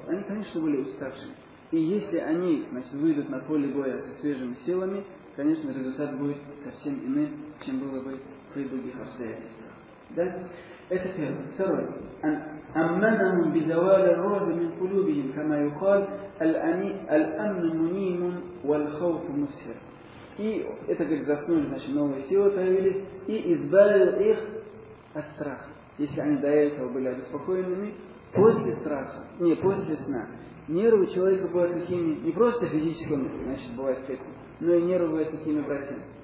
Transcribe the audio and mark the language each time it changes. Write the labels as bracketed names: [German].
[Russian] Они, конечно, были уставшими. И если они, значит, выйдут на поле боя со свежими силами, конечно, результат будет совсем иным, чем было бы при других обстоятельствах. Да? Это первое. Второе. [Arabic] أمنهم بزوال الرعب من قلوبهم كما يقال الأمن منيم والخوف مسهر. [Russian] И это как заснули, значит, новые силы появились, и избавил их от страха. Если они до этого были обеспокоенными, после страха, не после сна, нервы человека бывают такими, не просто физическими, значит, бывают такими, но и нервы бывают такими, братья.